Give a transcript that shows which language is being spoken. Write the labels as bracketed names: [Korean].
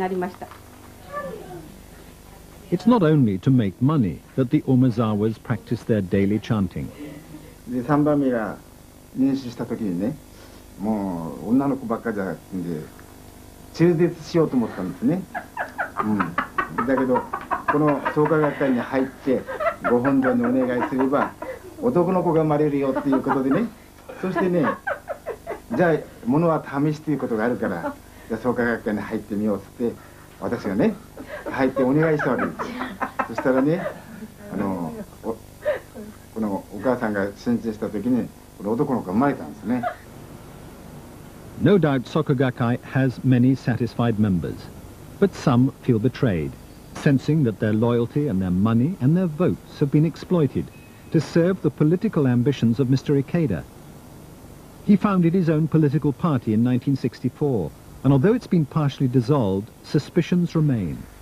[Japanese] お金がなかったんです。あの、働けど働けど、我が暮らし楽にならじってね、あの、それで1年に50万ずつのお金がね、貯まりますようにって書いてあるんです。ですけど、3年おきに世界旅行ができる教会になりました。 [English] It's not only to make money that the Umezawas practice their daily chanting. [Japanese] で、3番目が 入信した時にね、もう女の子ばっかじゃなくて、中絶しようと思ったんですね。うん。だけど、この創価学会に入ってご本尊にお願いすれば、男の子が生まれるよっていうことでね、そしてね、じゃあ物は試しということがあるから、じゃあ創価学会に入ってみようって、私がね入ってお願いしたわけです。そしたらね、このお母さんが新人した時にこの男の子が生まれたんですね。 [English] No doubt Soka Gakkai has many satisfied members, but some feel betrayed, sensing that their loyalty and their money and their votes have been exploited to serve the political ambitions of Mr. Ikeda. He founded his own political party in 1964, and although it's been partially dissolved, suspicions remain.